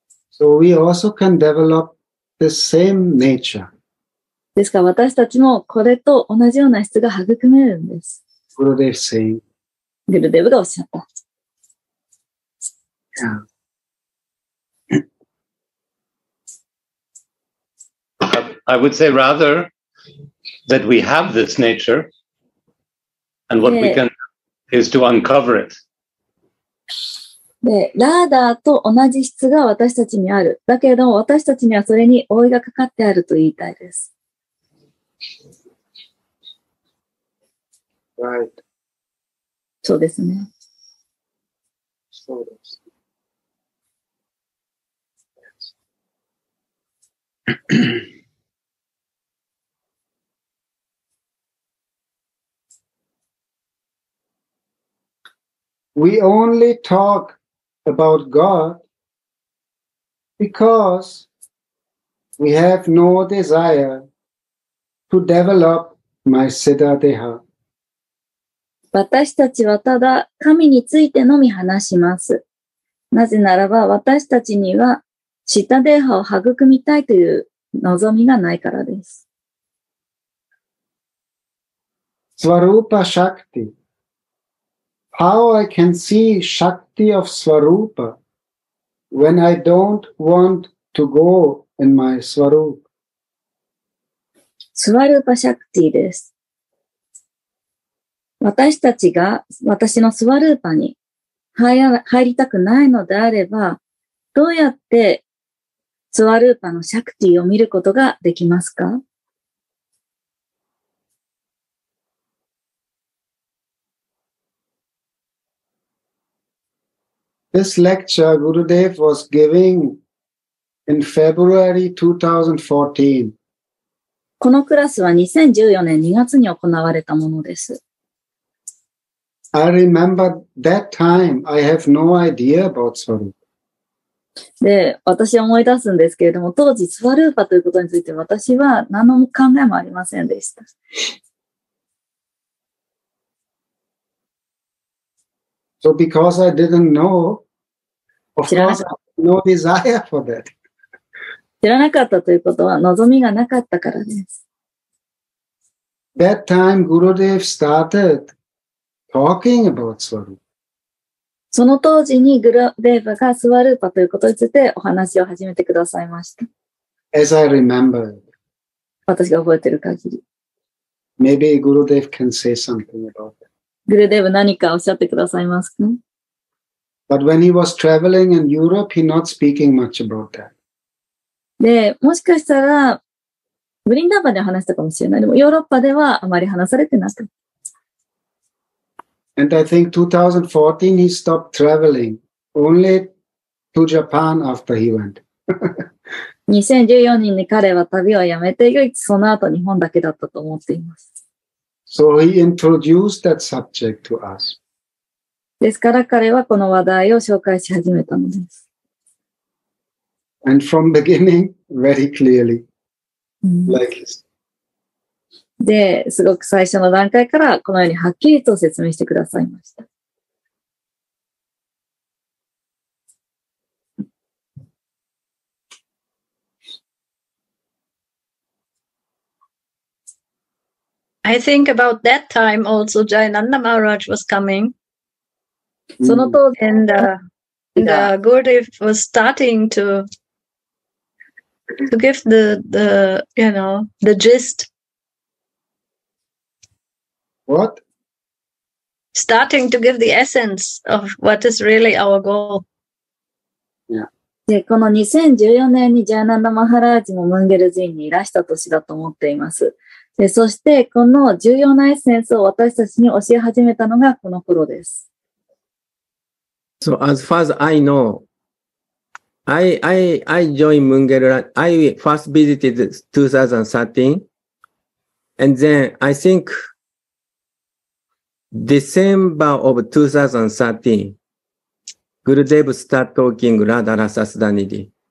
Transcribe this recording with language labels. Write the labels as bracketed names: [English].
[English] So we also can develop the same nature. [Japanese] ですから私たちもこれと同じような質が育めるんです。 [English] Gurudev is saying. [Japanese] グルデブがおっしゃった。 [English] I would say rather that we have this nature and what we can is to uncover it. [Japanese] で、ラーダーと同じ質が私たちにある。だけど私たちにはそれに覆いがかかってあると言いたいです。 [English] Right. [Japanese] そうですね。そうです。 [English] We only talk about God because we have no desire to develop my Siddha Deha. [Japanese] 私たちはただ神についてのみ話します。なぜならば私たちには、シッタデーハを育みたいという望みがないからです。スワルーパシャクティ。 [English] How I can see Shakti of Swarupa when I don't want to go in my Swarup? [Japanese] スワルーパシャクティです。私たちが私のスワルーパに入りたくないのであれば、どうやってスワルーパのシャクティを見ることができますか? [English] This lecture Gurudev was giving in February 2014. [Japanese] このクラスは2014年2月に行われたものです。 [English] I remember that time, I have no idea about Swarup. [Japanese] で、私は思い出すんですけれども、当時、スワルーパということについて私は何の考えもありませんでした。 [English] So because I didn't know, of course, no desire for that. [Japanese] 知らなかったということは望みがなかったからです。 [English] That time, Gurudev started,Talking about Swarupa. [Japanese] その当時にグルデーヴァがスワルーパということについてお話を始めてくださいました。 [English] As I remember. [Japanese] 私が覚えている限り。 [English] Maybe Gurudev can say something about that. [Japanese] グルデーヴァ何かおっしゃってくださいますか? [English] But when he was traveling in Europe, he not speaking much about that. [Japanese] で、もしかしたら、ブリンダーヴァで話したかもしれない。でもヨーロッパではあまり話されてなかった。 [English] And I think 2014 he stopped traveling only to Japan after he went. [Japanese] 2014年に彼は旅をやめて、その後日本だけだったと思っています。 [English] So he introduced that subject to us. [Japanese] ですから彼はこの話題を紹介し始めたのです。 [English] And from beginning, very clearly, like his. [Japanese] で、すごく最初の段階からこのようにはっきりと説明してくださいました。 [English] I think about that time also Jayananda Maharaj was coming. And Gurudev was starting to give the gist. What? Starting to give the essence of what is really our goal. Yeah. [Japanese] で、この2014年にジャーナンダ・マハラージもムンゲル寺院にいらした年だと思っています。で、そしてこの重要なエッセンスを私たちに教え始めたのがこの頃です。 [English] So as far as I know, I joined Mungeru. I first visited 2013. And then I think December of 2013, Gurudev started talking Radha Rasa Sadanidhi.